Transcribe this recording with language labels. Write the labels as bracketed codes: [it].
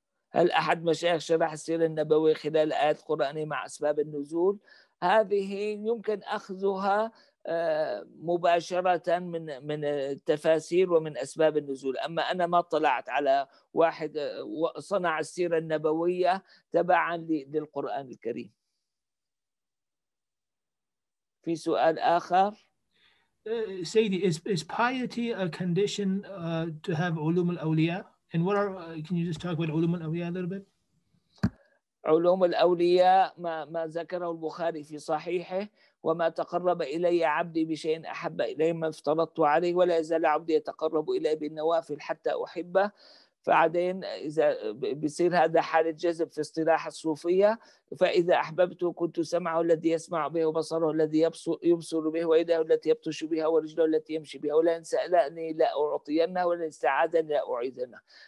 [ar] هل أحد مشايخ شرح السيرة النبوية خلال آيات القرآن مع أسباب النزول؟ هذه يمكن أخذها مباشرة من التفاسير ومن أسباب النزول، أما أنا ما طلعت على واحد صنع السيرة النبوية تبعا للقرآن الكريم. في سؤال آخر؟ [en] سيدي، is piety a condition to have علوم الأولياء؟ And what are, can you just talk about علوم الأولياء a little bit? [ar] علوم الأولياء ما ذكره البخاري في صحيحه، وما تقرب إلي عبدي بشيء أحب إليه ما افترضت عليه، ولا يزال عبدي يتقرب إلي بالنوافل حتى أحبه. فعدين إذا بيصير هذا حالة جذب في اصطلاح الصوفية، فإذا أحببته كنت سمعه الذي يسمع به، وبصره الذي يبصر به، ويده التي يبطش بها، ورجله التي يمشي بها، ولا سألني لا أعطينه، ولا استعاذني لا أعيذنه.